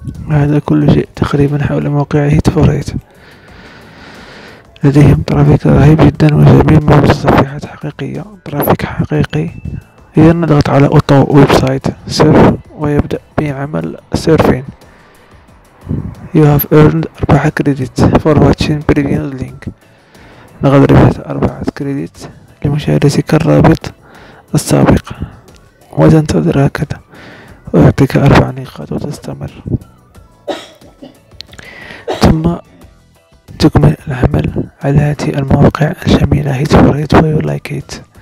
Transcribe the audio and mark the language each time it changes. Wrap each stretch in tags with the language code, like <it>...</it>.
<ar>هذا كل شيء تقريبا حول موقع هيت فور هيت. لديهم ترافيك رهيب جدا وجميل، موجود صفحات حقيقية، ترافيك حقيقي. إذا نضغط على أوتو ويب سايت سيرف ويبدأ بعمل سيرفين.</ar> <en>You have earned 4 credits for watching previous link.</en> <ar>لقد ربحت 4 credits لمشاهدتك الرابط السابق، وتنتظر هكذا ويعطيك 4 نقاط وتستمر. ثم تكمل العمل على هذه المواقع الجميلة هيت فور هيت ويو لايك هيت.</ar>